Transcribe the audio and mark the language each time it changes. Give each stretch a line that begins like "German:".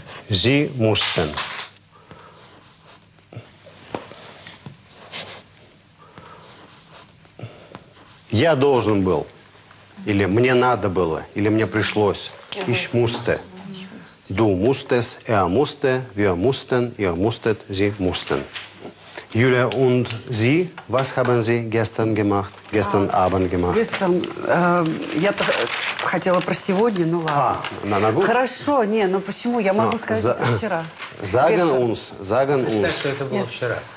German: Sie mussten.
Russian: Я должен был, или мне надо было, или мне пришлось.
German: Ich musste. Du musstest, musste, wir mussten, ihr musstet, sie mussten. Julia und Sie, was haben Sie gestern gemacht, gestern Abend gemacht?
Russian: Gestern, я хотела про сегодня, ну ладно. А, на ногу? Хорошо, не, ну почему, я могу сказать вчера.
German: Sagen uns, sagen uns. Ich dachte,
Russian: это было вчера.